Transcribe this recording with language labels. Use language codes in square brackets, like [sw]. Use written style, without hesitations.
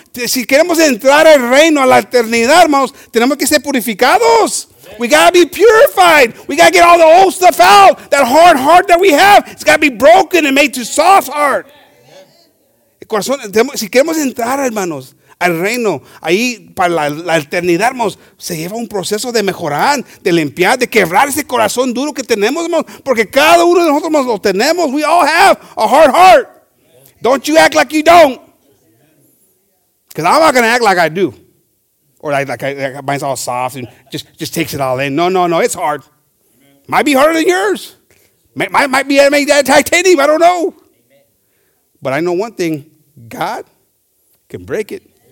[es] Si queremos entrar al reino, a la eternidad, hermanos, tenemos que ser purificados. [en] We got to be purified. We got to get all the old stuff out. That hard heart that we have, it's got to be broken and made to soft heart. [es] El corazón, si queremos entrar, hermanos, al reino, ahí para la eternidad, hermanos, se lleva un proceso de mejorar, de limpiar, de quebrar ese corazón duro que tenemos, hermanos, porque cada uno de nosotros, hermanos, lo tenemos. [en] We all have a hard heart. Don't you act like you don't. Because I'm not going to act like I do. Or like mine's all soft and just takes it all in. No, it's hard. Might be harder than yours. Might be made out of titanium, I don't know. But I know one thing, God can break it.